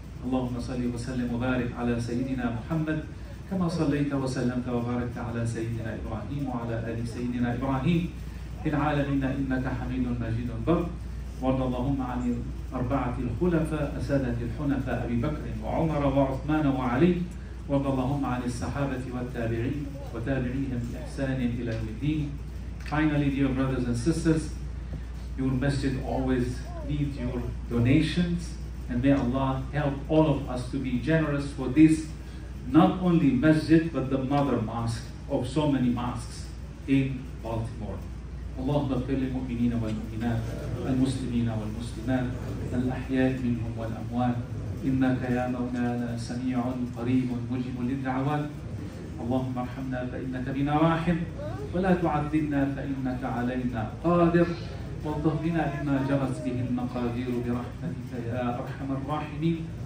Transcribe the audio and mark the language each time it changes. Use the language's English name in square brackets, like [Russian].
[Arabic] اللهم صل وسلم وبارك على سيدنا محمد كما صليت وسلمت وباركت على سيدنا إبراهيم وعلى آل سيدنا إبراهيم في العالمين إنك حميد مجيد بر. وارض اللهم عن أربعة الخلفاء أسادة الحنفاء أبي بكر وعمر وعثمان وعلي. وارض اللهم عن الصحابة والتابعين وتابعيهم بإحسان إلى يوم الدين. [English] Finally, dear brothers and sisters, your masjid always needs your donations, and may Allah help all of us to be generous for this, not only masjid but the mother mosque of so many mosques in Baltimore. [Arabic] اللهم اغفر للمؤمنين والمؤمنات المسلمين والمسلمات الأحياء منهم والأموات إنك يا مولانا سميع قريب مجيب للدعوات. اللهم ارحمنا فإنك بنا راحم ولا تعذبنا فإنك علينا قادر واغفر لنا بما جرت به المقادير برحمتك يا أرحم الراحمين.